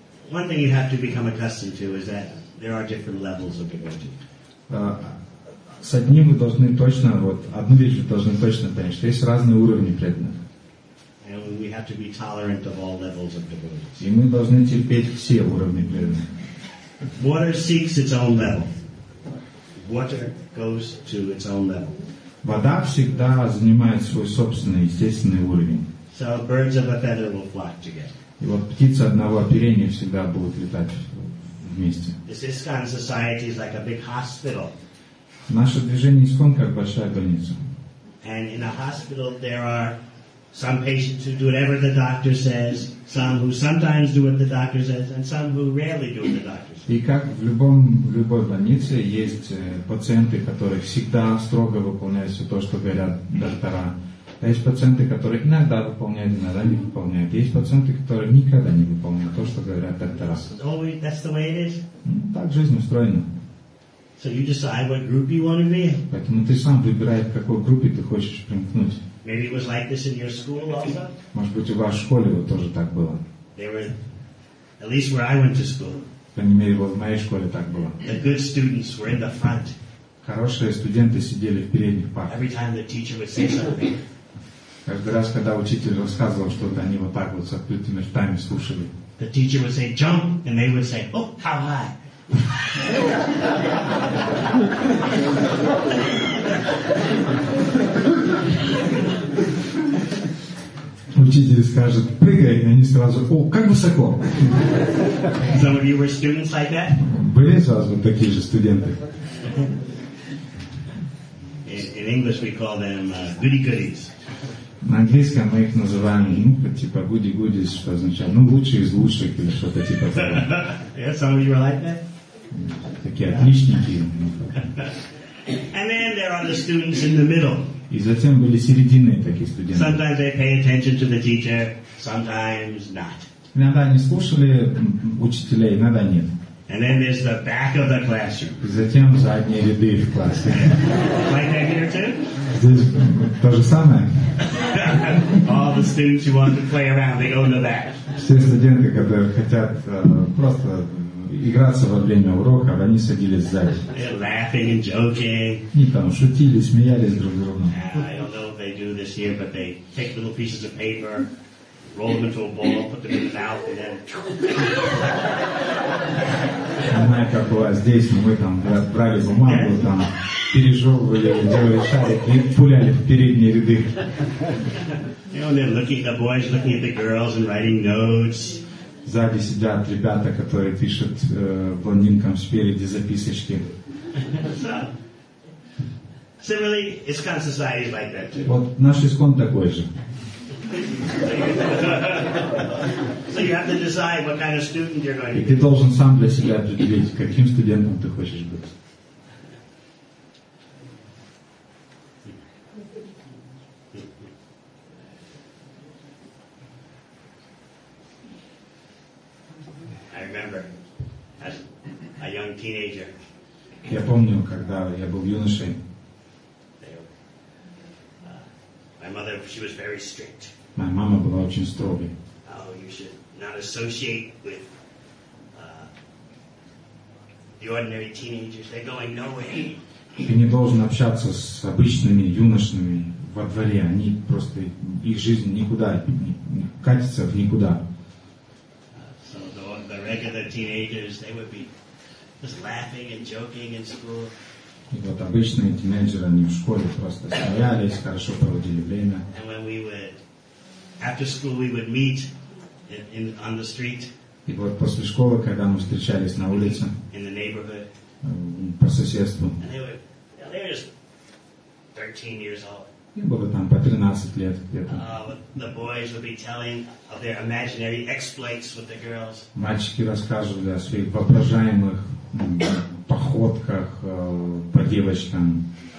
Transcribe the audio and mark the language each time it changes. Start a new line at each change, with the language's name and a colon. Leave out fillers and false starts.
English: One thing you have to become accustomed to is that there are different levels of devotee.
Russian: С одним вы должны точно, вот, одну вещь вы должны точно понять, что есть разные уровни преданных.
English: And we have to be tolerant of all levels of devotees.
Russian: И мы должны терпеть все уровни преданных.
English: Water seeks its own level. Water goes to its own level.
Russian: Вода всегда занимает свой собственный, естественный уровень.
English: So birds of a feather will flock together.
Russian: И вот птицы одного оперения всегда будут летать вместе.
English: This ISKCON society is like a big hospital.
Russian: Наше движение ИСККОН как большая больница.
English: And in a hospital there are some patients who do whatever the doctor says, some who sometimes do what the doctor says, and some who rarely do what the doctor says.
Russian: И как в любой больнице есть пациенты, которые всегда строго выполняют все то, что говорят доктора. А есть пациенты, которые иногда выполняют, иногда не выполняют. Есть пациенты, которые никогда не выполняют то, что говорят доктора.
English: That's the way it is.
Russian: Так жизнь устроена.
English: So you decide what group you want to be.
Russian: Поэтому ты сам выбираешь, в какой группе ты хочешь примкнуть.
English: Maybe it was like this in your school also.
Russian: Может быть, у вас в школе тоже так было.
English: There were, at least where I went to school.
Russian: По крайней мере, вот в моей школе так было.
English: The good students were in the front.
Russian: Хорошие студенты сидели в передних партах.
English: Every time the teacher would say something.
Russian: Каждый раз, когда учитель рассказывал что-то, они вот так вот с открытыми ртами слушали.
English: The teacher would say jump, and they would say, oh, how high.
Russian: Учитель скажет, прыгай, и они сразу, о, как высоко.
English: Some of you were students like that?
Russian: Были из вас вот такие же студенты?
English: In English we call them goody-goodies.
Russian: На английском мы их называем, ну, типа
English: goody-goodies,
Russian: что означает, ну, лучшие из лучших, или что-то типа того.
English: Yeah, some of you were like that?
Russian: Такие отличники.
English: And then there are the students in the middle.
Russian: И затем были серединные такие студенты.
English: Sometimes they pay attention to the teacher, sometimes not.
Russian: Иногда они слушали учителей, иногда нет.
English: And then there's the back of the classroom.
Russian: Затем задние ряды в классе.
English: Like that here too?
Russian: Здесь то же самое.
English: All the students who want to play around, they go to the back.
Russian: Все студенты, которые хотят просто играться во время уроков, они садились сзади.
English: They're laughing and joking.
Russian: Они там шутили, смеялись друг с другом.
English: I don't know if they do this here, but they take little pieces of paper, roll them into a ball, put them in the mouth, and then...
Russian: Не знаю, как у вас здесь, но мы там брали бумагу, там пережевывали, делали шарик и пуляли в передние ряды.
English: You know, they're looking at the boys, looking at the girls and writing notes.
Russian: Сзади сидят ребята, которые пишут блондинкам спереди записочки.
English: Similarly, ISKCON society is like that too.
Russian: Вот наш ИСКОН такой же.
English: So you have to decide what kind of student you're going to be.
Russian: И ты должен сам для себя определить, каким студентом ты хочешь быть.
English: I remember as a young teenager.
Russian: Я помню, когда я был юношей.
English: My mother, she was very strict.
Russian: Моя мама была очень строгой.
English: Oh, you should not associate with the ordinary teenagers. They're going nowhere.
Russian: Ты не должен общаться с обычными юношами во дворе. Они просто, их жизнь никуда не катится в никуда.
English: So the regular teenagers, they would be just laughing and joking in school.
Russian: И вот обычные тинейджеры, они в школе просто смеялись, хорошо проводили время.
English: And when we would after school we would meet in on the street.
Russian: И вот после школы, когда мы встречались на улице,
English: in the neighborhood,
Russian: по соседству.
English: And they were, you know, they were just 13 years old.
Russian: Им было там по 13 лет где-то.
English: The boys would be telling of their imaginary exploits with the girls.
Russian: Мальчики рассказывали о своих воображаемых походках по девочкам.